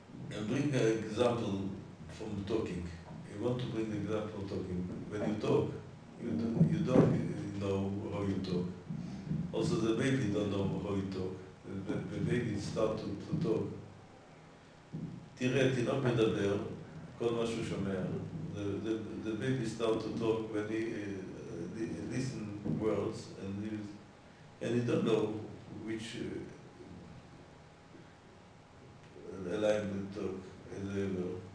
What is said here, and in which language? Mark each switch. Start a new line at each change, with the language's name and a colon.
English: I bring an example from talking. You want to bring an example from talking. When you talk, you don't know how you talk. Also the baby don't know how you talk. The baby start to talk.
Hebrew: תראה, תינוק מדבר, כל מה שהוא שומע.
English: The baby start to talk when he listen words and he don't know which alignment talk as ever.